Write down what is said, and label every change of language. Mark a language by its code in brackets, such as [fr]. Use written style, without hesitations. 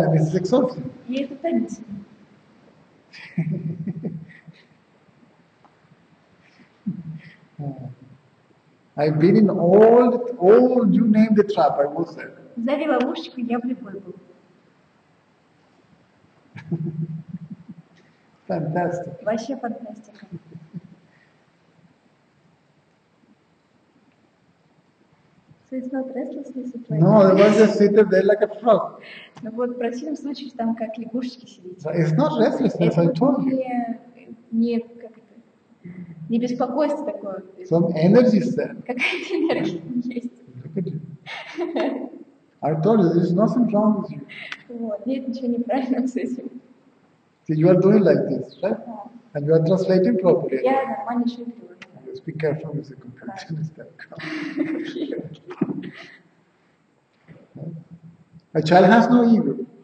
[en] And this is exhausting. I've been in all you name the trap, I was there. [ru] Завела ушечку, я влипой был. [en] Fantastic. [ru] Вообще фантастика. [en] So it's not restlessness? No, I was just sitting there like a frog. [ru] Ну вот, в противном случае, там как лягушечки сидите. [en] So it's not restlessness, I told you. [ru] Нет, как это. Не беспокойство такое. [en] Some energy is there. [ru] Какая-то энергия есть. [en] Look at you. I told you, there's nothing wrong with you. [ru] Вот, нет ничего неправильного с этим. [en] See, you are doing like this, right? And you are translating properly. [ru] Я нормально еще говорю. [en] Just be careful with the computer. Okay. A child has no ego.